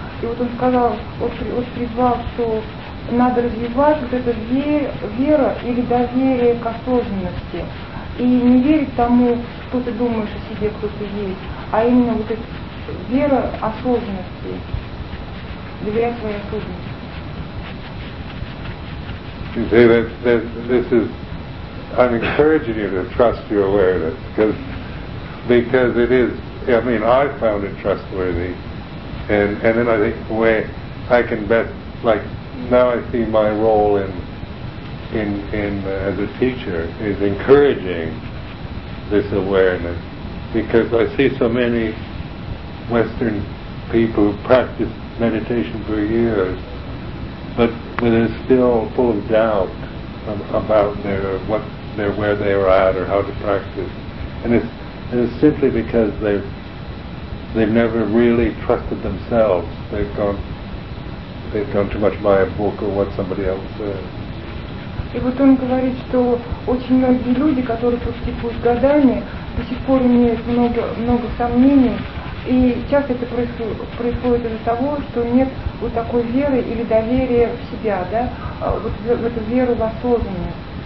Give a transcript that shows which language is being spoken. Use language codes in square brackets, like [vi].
[ru] И вот он сказал, он призвал, что надо развивать вот это вера или доверие к осознанности. И не верить тому, что ты думаешь о себе, кто ты есть, а именно вот эта вера осознанности, доверять своей осознанности. [en] You say this is, I'm encouraging you to trust your awareness, because it is, I mean, I found it trustworthy. And then I think the way I can best, like, now I see my role in as a teacher is encouraging this awareness, because I see so many Western people who practice meditation for years, but they're still full of doubt about where they are at or how to practice, and it's simply because they've never really trusted themselves. They've gone too much by a book or what somebody else said. [ru] И вот он говорит, что очень многие люди, которые практикуют годами, до сих пор имеют много сомнений, и часто это происходит из-за того, что нет вот такой веры или доверия в себя, да, вот в эту веру в осознанность.